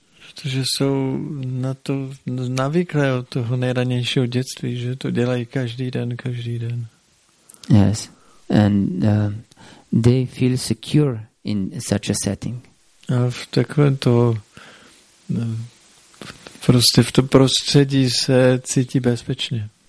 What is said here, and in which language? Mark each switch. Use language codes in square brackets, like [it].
[cs] Protože jsou na to navyklé od toho nejranějšího dětství, že to dělají každý den. [en] Yes. And they feel secure in such a setting. [cs] A v takovém to prostě v tom prostředí se cítí bezpečně.